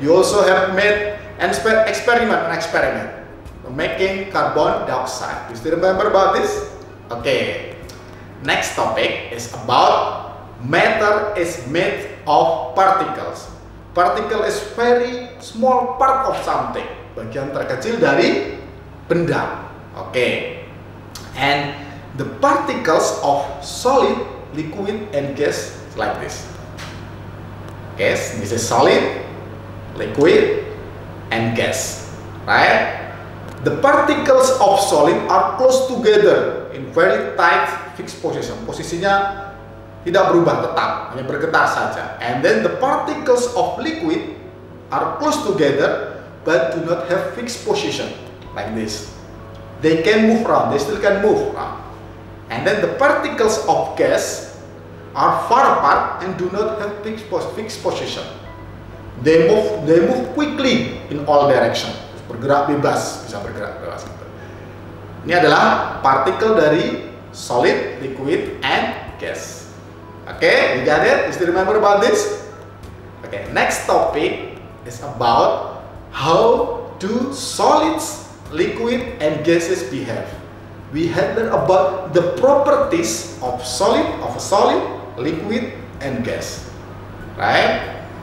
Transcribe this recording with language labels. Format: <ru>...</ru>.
<en>You also have made an experiment making carbon dioxide. You still remember about this? Okay. Next topic is about matter is made of particles. Particle is very small part of something.</en> <id>Bagian terkecil dari benda.</id> <en>Okay. And the particles of solid, liquid, and gas like this. Gas, this is solid, liquid, and gas. Right? The particles of solid are close together in very tight fixed position.</en> <id>Posisinya tidak berubah, tetap, hanya bergetar saja.</id> <en>And then the particles of liquid are close together but do not have fixed position like this. They can move around, they still can move around. And then the particles of gas are far apart and do not have fixed position. They move quickly in all direction.</en> <id>Bergerak bebas, bisa bergerak bebas. Ini adalah partikel dari</id> <en>solid, liquid, and gas. Okay, you got it? You still remember about this? Okay, next topic is about how do solids, liquid, and gases behave. We had learned about the properties of solid, liquid, and gas. Right?</en>